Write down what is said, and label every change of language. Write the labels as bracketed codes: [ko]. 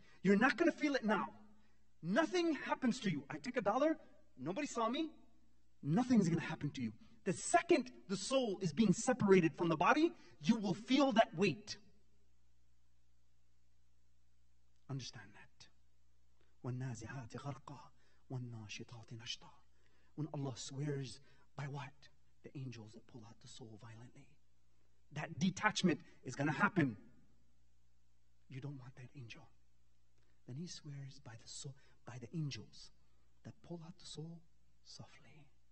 [en] You're not going to feel it now. Nothing happens to you. I take a dollar, nobody saw me, nothing's going to happen to you. The second the soul is being separated from the body, you will feel that weight. Understand that. [ar] والنازعات غرقا والناشطات نشطا. [en] When Allah swears by what? The angels that pull out the soul violently. That detachment is going to happen. You don't want that angel. Then he swears by the soul, by the angels that pull out the soul softly.